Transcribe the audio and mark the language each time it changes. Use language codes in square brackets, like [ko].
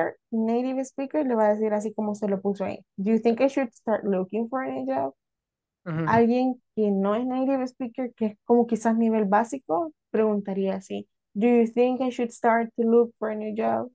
[es] Native speaker le va a decir así como se lo puso ahí. [en] Do you think I should start looking for a job? [es] Alguien que no es native speaker, que es como quizás nivel básico, preguntaría así. [en] Do you think I should start to look for a new job?